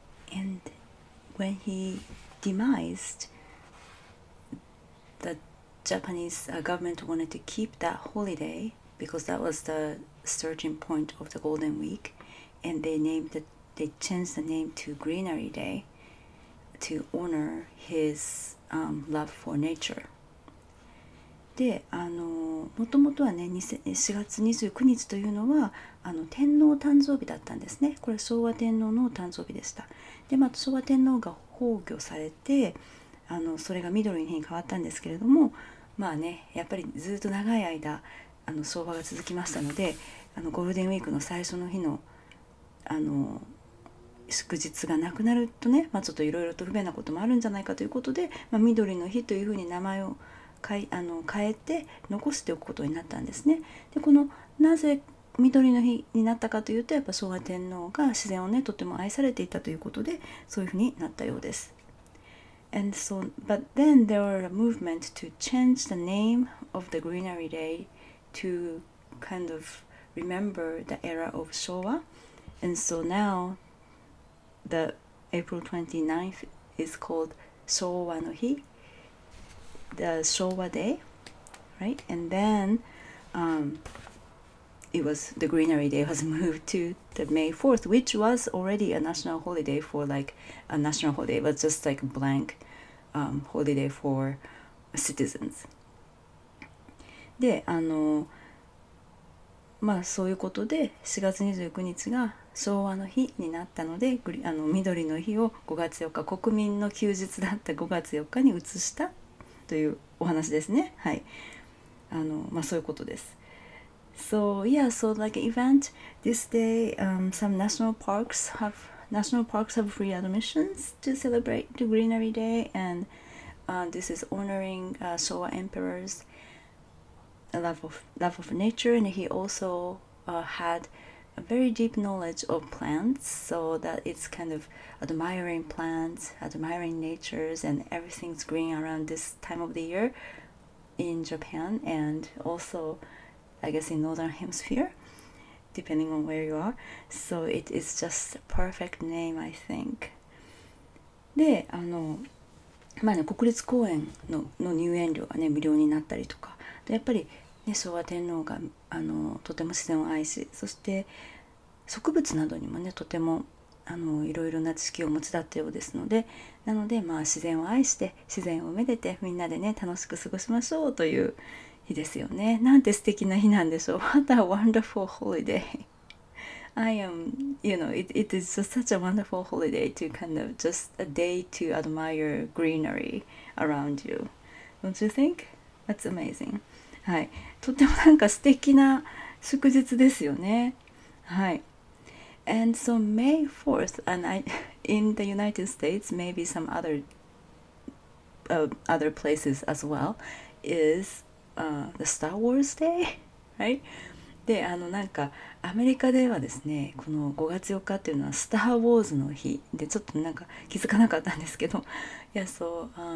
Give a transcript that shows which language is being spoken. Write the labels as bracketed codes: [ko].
[en] And when he demised, the Japanese government wanted to keep that holiday because that was the starting point of the Golden Week, and they named it. They changed the name to Greenery Day to honor his love for nature. [ja] で、もともとはね、4月29日というのは天皇誕生日だったんですね。これは昭和天皇の誕生日でした。で、まあ、昭和天皇が崩御されて、それが緑の日に変わったんですけれども、まあね、やっぱりずっと長い間昭和が続きましたので、ゴールデンウィークの最初の日の祝日がなくなるとね、まあ、ちょっといろいろと不便なこともあるんじゃないかということで、まあ、緑の日というふうに名前を変えて残しておくことになったんですね。で、このなぜ緑の日になったかというと、やっぱ昭和天皇が自然をね、とても愛されていたということで、そういうふうになったようです。 [en] And so, but then there were a movement to change the name of the Greenery Day to kind of remember the era of Showa. And so nowThe April 29th is called 昭和の日, the 昭和 day, right? And then it was the Greenery Day was moved to the May 4th, which was already a national holiday for like a national holiday, but just like a blank holiday for citizens. [ja] で、あの、まあそういうことで4月29日が昭和の日になったので、あの緑の日を5月4日、国民の休日だった5月4日に移したというお話ですね。はい。あの、まあそういうことです。 [en] So yeah, so like event this day, some national parks have free admissions to celebrate the Greenery Day, and this is honoring Showa Emperor's love of nature, and he also had a very deep knowledge of plants, so that it's kind of admiring plants, admiring natures, and everything's green around this time of the year in Japan, and also. I guess in Northern Hemisphere, depending on where you are. So it is just a perfect name, I think. [ja] で、あの、まあね、国立公園の、の入園料がね、無料になったりとか、でやっぱり、ね、昭和天皇が、あの、とても自然を愛し、そして植物などにもね、とても、あの、いろいろな知識を持ちだったようですので、なので、まあ、自然を愛して、自然をめでて、みんなでね、楽しく過ごしましょうという、日ですよね。なんて素敵な日なんでしょう。 [en] What a wonderful holiday. I am, you know, it is just such a wonderful holiday to kind of just a day to admire greenery around you. Don't you think? That's amazing. はい。 [ja] とてもなんか素敵な祝日ですよね。はい。 [en] And so May 4th, and I, in the United States, maybe some other,other places as well, is... the Star Wars Day, right? [ja] で、あの、なんかアメリカではですね、この5月4日っていうのはスター・ウォーズの日で、ちょっとなんか気づかなかったんですけど、yeah, so,